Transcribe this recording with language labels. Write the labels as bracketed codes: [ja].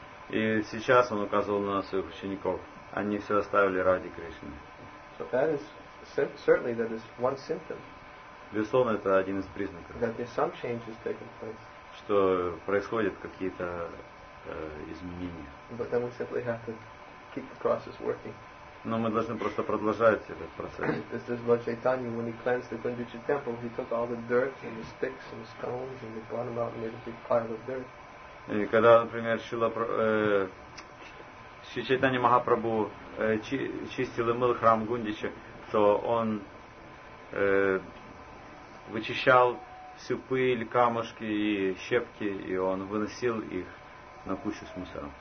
[ru] И сейчас он указывал на своих учеников, они все оставили ради Кришны. [en] So that is, certainly that is one symptom. [ru] Безусловно, это один из признаков, [en] that there's some changes taking place. [ru] Что происходят какие-то изменения. [en] But then we simply have to keep the process working. [ru] Но мы должны просто продолжать этот процесс. [en] This is Lord Chaitanya, when he cleansed the Gundicha temple, he took all the dirt and the sticks and the stones and he brought them out and made a big pile of dirt. [ru] И когда, например, Шри Чайтанья Махапрабху чистил и мыл храм Гундича, то он вычищал всю пыль, камушки и щепки, и он выносил их на кучу с мусором.